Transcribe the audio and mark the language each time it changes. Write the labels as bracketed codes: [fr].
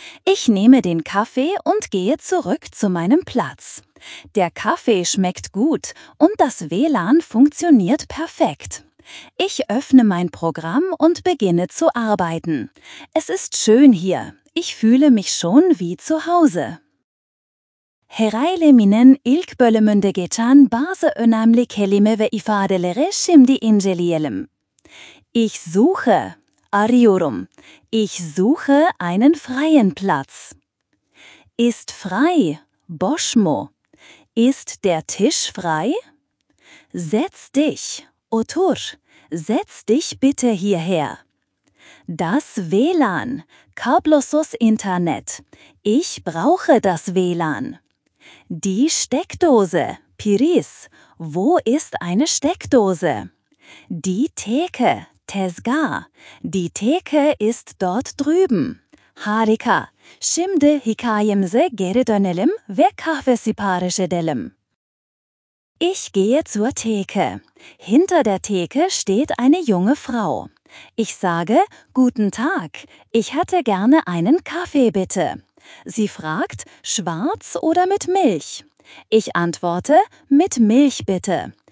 [de] Ich nehme den Kaffee und gehe zurück zu meinem Platz. Der Kaffee schmeckt gut und das WLAN funktioniert perfekt. Ich öffne mein Programm und beginne zu arbeiten. Es ist schön hier. Ich fühle mich schon wie zu Hause. [tr] Hereileminen ilk bölümünde geçen bazı önemli kelime ve ifadeleri şimdi inceleyelim. [de] Ich suche, [tr] arıyorum. [de] Ich suche einen freien Platz. Ist frei, [tr] boş mu? [de] Ist der Tisch frei? Setz dich, [tr] otur. [de] Setz dich bitte hierher. Das WLAN, [tr] kablosuz Internet. [de] Ich brauche das WLAN. Die Steckdose, [tr] Piris. [de] Wo ist eine Steckdose? Die Theke, [tr] Tezgah. [de] Die Theke ist dort drüben. [tr] Harika. Şimdi hikayemize geri dönelim ve kahve sipariş edelim. [de] Ich gehe zur Theke. Hinter der Theke steht eine junge Frau. Ich sage, guten Tag, ich hätte gerne einen Kaffee, bitte. Sie fragt, schwarz oder mit Milch? Ich antworte, mit Milch, bitte.